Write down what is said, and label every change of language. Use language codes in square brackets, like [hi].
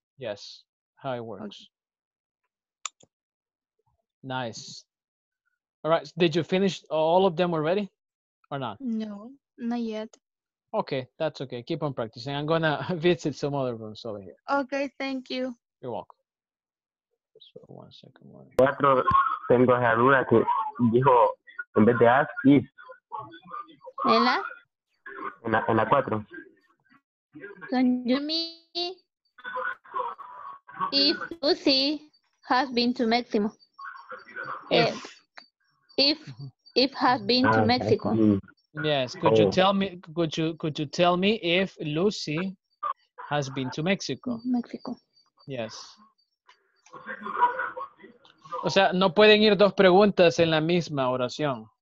[en] Yes, how it works. Okay. Nice. All right. Did you finish all of them already or not? No, not yet. Okay. That's okay. Keep on practicing. I'm going to visit some other rooms over here. Okay. Thank you. You're welcome. So one second. [es] Cuatro, tengo esa duda que dijo, en vez de ask, if. ¿Ela? En la cuatro. [en] Can you me if Lucy has been to Mexico? If has been to Mexico. Yes. Could you tell me if Lucy has been to Mexico? Mexico. Yes. [es] O sea, no pueden ir dos preguntas en la misma oración.